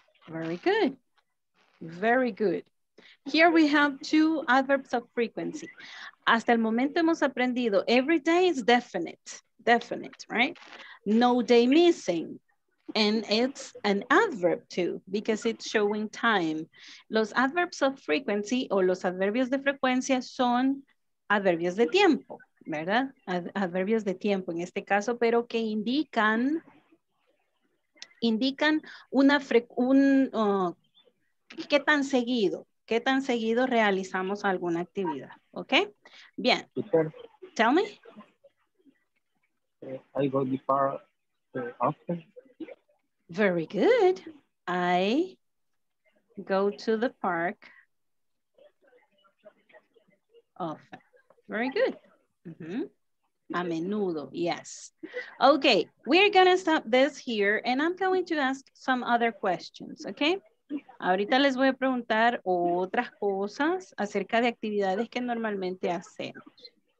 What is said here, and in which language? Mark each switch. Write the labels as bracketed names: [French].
[English] Mm-hmm. Very good. Very good. Here we have two adverbs of frequency. [Spanish] Hasta el momento hemos aprendido, [English] every day is definite, definite, right? No day missing. And it's an adverb too, because it's showing time. [Spanish] Los [English] adverbs of frequency [Spanish] o los adverbios de frecuencia son adverbios de tiempo, ¿verdad? Adverbios de tiempo en este caso, pero que indican, indican una qué tan seguido, qué tan seguido realizamos alguna actividad, ¿ok? [English] Bien. Tell me. I go to the park often. Very good. I go to the park often. Very good. [Spanish] Mm-hmm. A menudo, yes. [English] Okay, we're gonna stop this here and I'm going to ask some other questions, okay? [Spanish] Ahorita les voy a preguntar otras cosas acerca de actividades que normalmente hacemos.